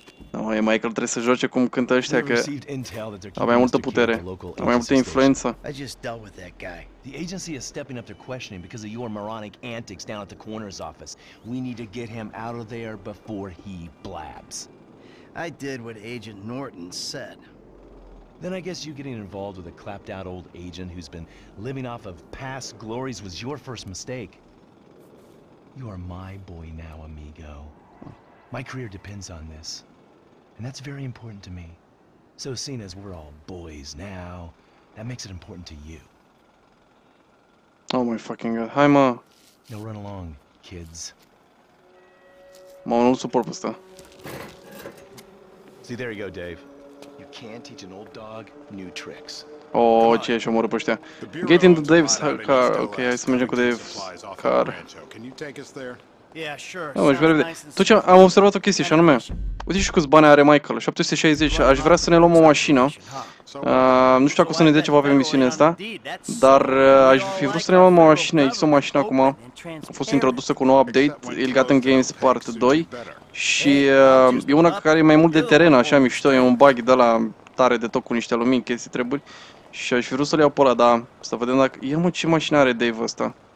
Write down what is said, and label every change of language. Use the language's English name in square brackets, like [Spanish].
[Romanian] Nu, no, Michael trebuie să joace cum cântă ăștia, că a mai multă putere, a mai multă influență. [English] I just dealt with that guy. The agency is stepping up their questioning because of your moronic antics down at the coroner's office. We need to get him out of there before he blabs. I did what Agent Norton said. Then I guess you getting involved with a clapped out old agent who's been living off of past glories was your first mistake. You are my boy now, amigo. My career depends on this. And that's very important to me. So seeing as we're all boys now, that makes it important to you. Oh my fucking god. Hi, ma. Now run along, kids. [Romanian] Ma, nu suport pe asta. [English] See, there you go, Dave. You can't teach an old dog new tricks. [Romanian] Oh, ce și omoră pe ăștia. [English] Get into Dave's car. [Romanian] Ok, hai să mergem cu Dave's car. [English] Can you take us there? Yeah, sure. Nice. [Romanian] Tot ce am observat o chestie și anume, uite și câți bani are Michael, 760, aș vrea să ne luăm o mașină, nu știu dacă o să ne dea ceva pe misiunea asta, dar aș fi vrut să ne luăm o mașină, există o mașină acum, a fost introdusă cu un nou update, Elgato Games Part 2, și e una care e mai mult de teren, așa mișto, e un buggy de la tare de tot cu niște lumini, chestii, treburi, și aș fi vrut să-l iau pe ăla, dar să vedem dacă, ia mă ce mașină are Dave ăsta.